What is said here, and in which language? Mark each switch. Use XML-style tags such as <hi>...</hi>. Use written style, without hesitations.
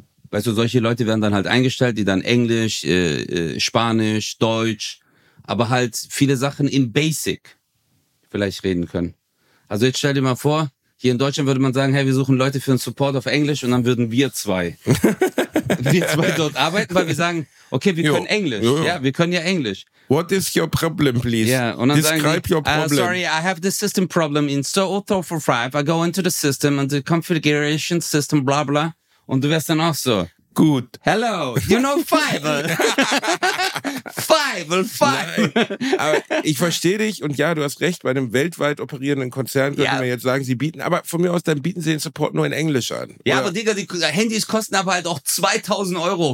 <de>Weißt du, solche Leute werden dann halt eingestellt, die dann Englisch, Spanisch, Deutsch, aber halt viele Sachen in Basic vielleicht reden können. Also jetzt stell dir mal vor, Hier in Deutschland würde man sagen, hey, wir suchen Leute für einen Support auf Englisch und dann würden wir zwei dort arbeiten, weil wir sagen, okay, wir können Englisch. Ja, wir können ja Englisch.</de> <en>What is your problem, please?</en> <de>Yeah, und dann</de> <en>describe</en> <de>sagen die,</de> <en>your problem. Sorry, I have this system problem in Store 345. I go into the system and the configuration system, blah, blah.</en> <de>Und du wärst dann auch so. Gut.</de> <en>Hello, you know Fiverr. Fiverr.</en> <de>Aber ich verstehe dich und ja, du hast recht, bei einem weltweit operierenden Konzern könnte man jetzt sagen, sie bieten, aber von mir aus, dann bieten sie den Support nur in Englisch an. Ja, oder? Aber Digga, die Handys kosten aber halt auch 2000 Euro.</de>